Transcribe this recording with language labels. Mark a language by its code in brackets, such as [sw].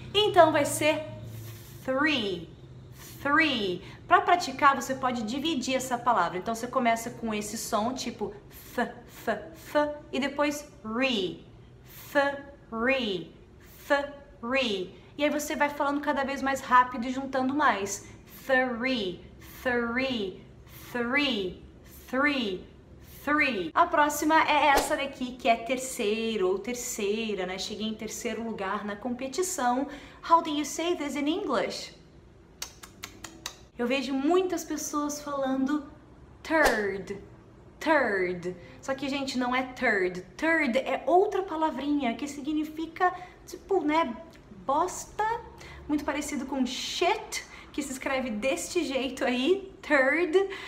[pt] Então vai ser three. Three. Para praticar, você pode dividir essa palavra. Então você começa com esse som, tipo f, f, f, e depois re, f, re, f, re. E aí você vai falando cada vez mais rápido e juntando mais. [en] Three, three, three, three, three. [pt] A próxima é essa daqui, que é terceiro ou terceira, né? Cheguei em terceiro lugar na competição. [en] How do you say this in English? [pt] Eu vejo muitas pessoas falando third, third. Só que, gente, não é third. Third é outra palavrinha que significa, tipo, né, bosta. Muito parecido com shit, que se escreve deste jeito aí, third.